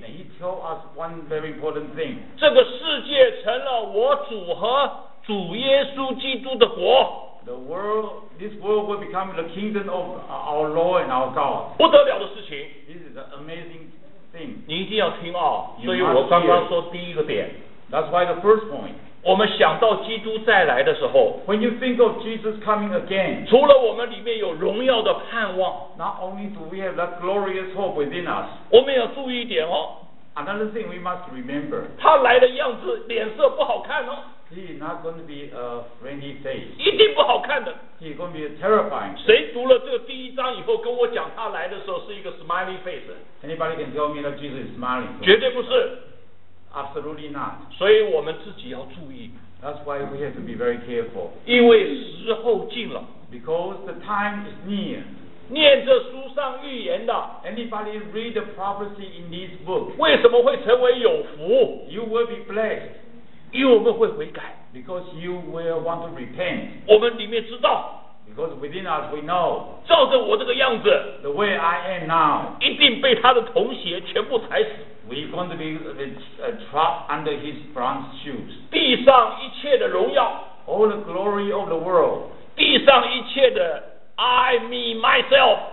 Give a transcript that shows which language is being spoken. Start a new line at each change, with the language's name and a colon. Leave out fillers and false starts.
English: And he told us one very important thing
Chinese: 这个世界成了我主和主耶稣基督的国。
English: The world, this world will become the kingdom of our Lord and our God.
Chinese: 不得了的事情。
English: This is an amazing thing.
Chinese: 你一定要听啊！所以我刚刚说第一个点。
English: That's why the first point.
Chinese: 我们想到基督再来的时候。
English: When you think of Jesus coming again.
Chinese: 除了我们里面有荣耀的盼望。
English: Not only do we have that glorious hope within us.
Chinese: 我们要注意一点哦。
English: Another thing we must remember.
Chinese: 他来的样子，脸色不好看哦。
English: He is not going to be a friendly face.
Chinese: 一定不好看的。
English: He is going to be terrifying.
Chinese: 谁读了这个第一章以后跟我讲他来的时候是一个
English: smiley face? Anybody can tell me that Jesus is smiling?
Chinese: 绝对不是。
English: Absolutely not.
Chinese: 所以我们自己要注意。
English: That's why we have to be very careful.
Chinese: 因为时候近了。
English: Because the time is near.
Chinese: 念这书上预言的。
English: Anybody read the prophecy in this book?
Chinese: 为什么会成为有福？
English: You will be blessed.
Chinese: 因为我们会悔改
English: because you will want to repent
Chinese: 我们里面知道
English: Because within us we know，
Chinese: 照着我这个样子
English: ，the way I am now，
Chinese: 一定被他的童鞋全部踩死。
English: We're going to be trapped under his bronze shoes。
Chinese: 地上一切的荣耀
English: ，all the glory of the world。
Chinese: 地上一切的
English: I, me, myself。